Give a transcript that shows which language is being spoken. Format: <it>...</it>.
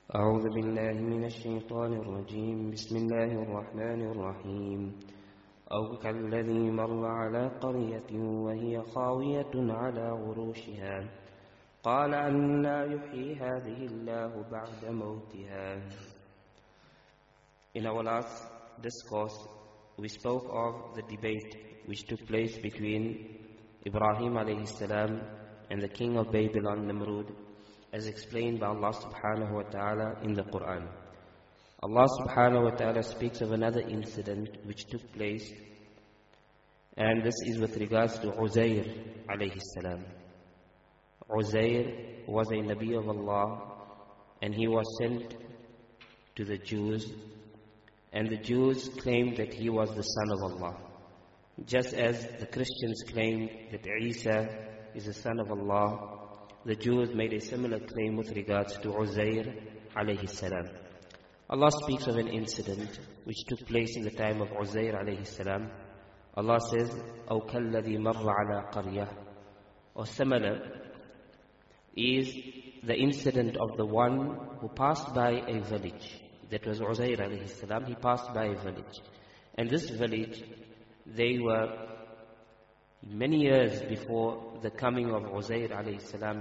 <ar>أعوذ بالله من الشيطان الرجيم. بسم الله الرحمن الرحيم. أو كالذي مر على قرية وهي خاوية على عروشها قال أنى يحيي هذه الله بعد موتها.</ar> <en>In our last discourse, we spoke of the debate which took place between Ibrahim alayhi salam and the king of Babylon, Nimrud, as explained by Allah subhanahu wa ta'ala in the Qur'an. Allah subhanahu wa ta'ala speaks of another incident which took place, and this is with regards to Uzair alayhi salam. Uzair was a Nabi of Allah, and he was sent to the Jews, and the Jews claimed that he was the son of Allah. Just as the Christians claimed that Isa is the son of Allah, the Jews made a similar claim with regards to Uzair alayhi salam. Allah speaks of an incident which took place in the time of Uzair alayhi salam. Allah says,</en> <ar>أَوْ كَالَّذِي مَرَّ عَلَىٰ قَرْيَةٍ.</ar> <en>Or similar is the incident of the one who passed by a village. That was Uzair alayhi salam. He passed by a village. And this village, they were many years before the coming of Uzair alayhi salam.</en>